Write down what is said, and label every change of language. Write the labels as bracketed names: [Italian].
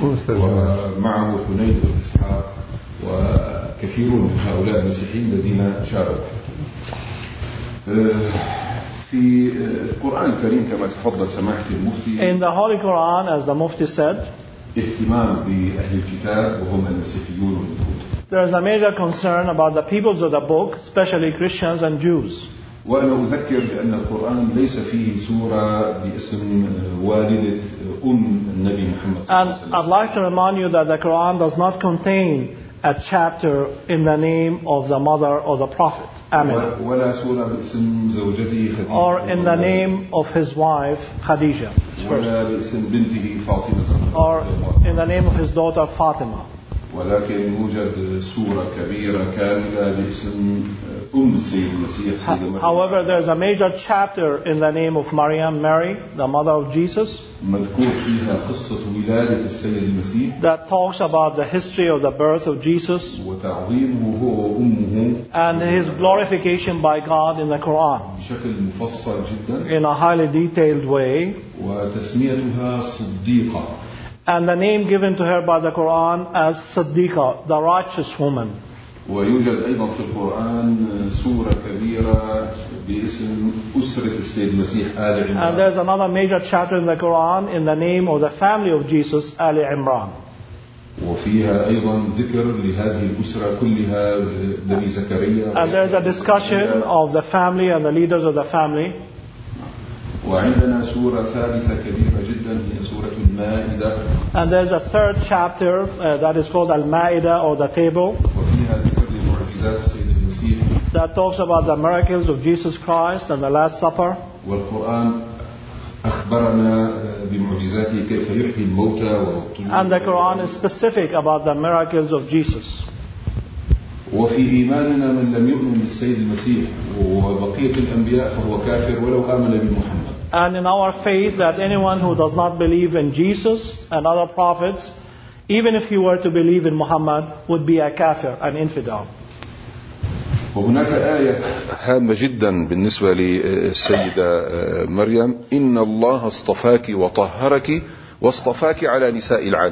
[Arabic] ومعه حنيد بن إسحاق وكثيرون من هؤلاء المسيحيين الذين شاركوا. في القرآن الكريم كما تفضل سماحتي المفتي. [English] In the Holy Quran, as the Mufti said. [Arabic] اهتمام بأهل الكتاب وهم المسيحيون واليهود. [English] There is a major concern about the peoples of the book, especially Christians and Jews. [Arabic] وأنا أذكر بأن القرآن ليس فيه سورة باسم والدة أم النبي محمد صلى الله عليه وسلم. [English] I'd like to remind you that the Quran does not contain a chapter in the name of the mother or the prophet. Amen. [Arabic] ولا سورة باسم زوجته خديجة. [English] Or in the name of his wife Khadija. [Arabic] ولا باسم بنته فاطمة. [English] Or in the name of his daughter Fatima. [Arabic] ولكن يوجد سورة كبيرة كاملة باسم أم السيد المسيح. [English] However, there is a major chapter in the name of Maryam, Mary, the mother of Jesus. [Arabic] مذكور فيها قصة ولادة السيد المسيح. [English] That talks about the history of the birth of Jesus. [Arabic] وتعظيمه هو وأمه. [English] And his glorification by God in the Quran. [Arabic] بشكل مفصل جدا. [English] In a highly detailed way. [Arabic] وتسميتها صديقة. [English] And the name given to her by the Quran as Siddiqa, the righteous woman. [Arabic] ويوجد أيضا في القرآن سورة كبيرة باسم أسرة السيد المسيح آل عمران. [English] And there's another major chapter in the Quran in the name of the family of Jesus, آل عمران. [Arabic] وفيها أيضا ذكر لهذه الأسرة كلها نبي زكريا. [English] And there's a discussion of the family and the leaders of the family. [Arabic] وعندنا سورة ثالثة كبيرة جدا هي سورة المائدة. [English] And there's a third chapter that is called Al-Ma'idah or the Table. [Arabic] وفيها ذكر لمعجزات السيد المسيح. [English] That talks about the miracles of Jesus Christ and the Last Supper. [Arabic] والقرآن أخبرنا بمعجزاته كيف يحيي الموتى. [English] And the Quran is specific about the miracles of Jesus. [Arabic] وفي إيماننا من لم يؤمن بالسيد المسيح وبقية الأنبياء فهو كافر ولو آمن بمحمد. [English] And in our faith that anyone who does not believe in Jesus and other prophets, even if he were to believe in Muhammad, would be a kafir, an infidel. [Arabic] وهناك آية هامة جدا بالنسبة للسيدة مريم. إن الله اصطفاك وطهرك واصطفاك على نساء العالم.